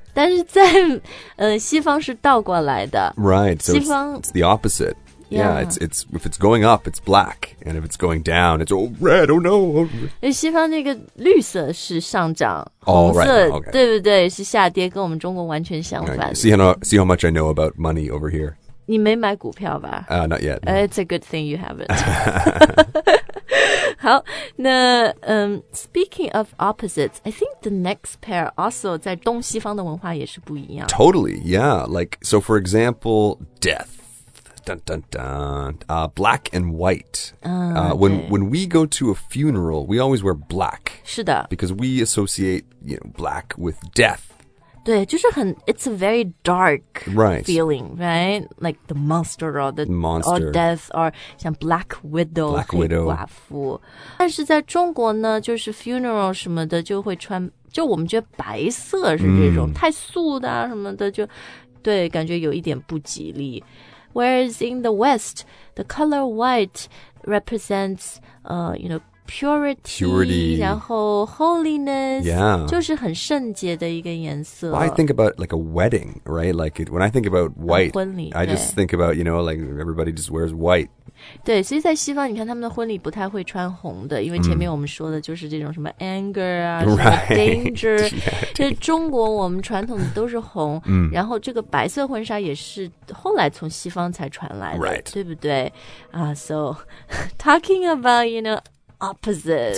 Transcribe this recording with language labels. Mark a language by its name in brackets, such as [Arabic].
[Chinese] 但是在、西方是倒过来的。 [English] Right, so [Chinese] 西方 [English] it's the opposite. Yeah, it's, if it's going up, it's black. And if it's going down, it's all red. Oh, no. [Chinese] 西方那个绿色是上涨。 [English] All right. [Chinese] 红色对不对是下跌跟我们中国完全相反。 [English] See how much I know about money over here. [Chinese] 你没买股票吧、 [English] not yet.、 No. It's a good thing you haven't. [Chinese] 好那、 [English] speaking of opposites, I think the next pair also [Chinese] 在东西方的文化也是不一样。 [English] Totally, yeah. Like, so for example, death. Dun, dun, dun. Black and white. When we go to a funeral, we always wear black. [Chinese] 是的 [English] Because we associate you know, black with death. [Chinese] 对就是很 [English] it's a very dark right. feeling, right? Like the monster or the monster. Or death or 像 black widow. Black widow. [Chinese] 黑寡妇但是在中国呢就是 funeral 什么的就会穿就我们觉得白色是这种、太素的、什么的就对感觉有一点不吉利。 [English] Whereas in the West, the color white represents, you know, purity, [Chinese] 然后 [English] holiness, yeah. [Chinese] 就是很圣洁的一个颜色。 [English] Well, I think about like a wedding, right? Like it, when I think about white, [Chinese] 婚礼 [English] I just think about, you know, like everybody just wears white. [Chinese] 对，所以在西方，你看他们的婚礼不太会穿红的，因为前面我们说的就是这种什么 anger 啊， [English] right. [Chinese] 什么 danger. 这中国我们传统的都是红，然后这个白色婚纱也是后来从西方才传来的， [English] right. [Chinese] 对不对？啊、 [English] so talking about, you know,Opposites.